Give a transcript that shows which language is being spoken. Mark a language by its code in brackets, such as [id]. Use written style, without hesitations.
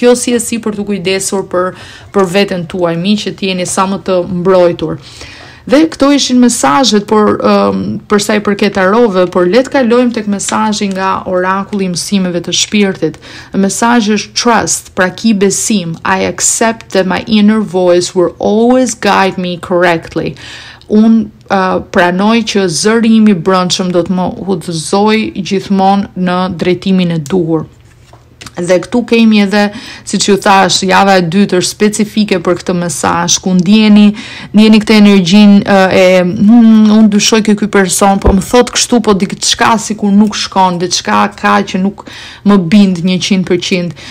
[sq] Kjo si e si për të kujdesur për veten tuaj, miq, që t'jeni sa më të mbrojtur. Dhe këto ishin mesazhet për sa i përket tarove, por le të kalojmë tek mesazhi nga orakulli i mësimeve të shpirtit. Mesazhi është trust, pra ki besim. [en] I accept that my inner voice will always guide me correctly. [sq] Unë pranoj që zëri im i brendshëm do të më udhëzojë gjithmonë në drejtimin e duhur. Dhe këtu kemi edhe, si që ju thash, java e dytër specifike për këtë mesazh, ku ndjeni këtë energjin unë dyshoj kë ky person, po më thot kështu, po diçka sikur nuk shkon, diçka ka që nuk më bind 100%.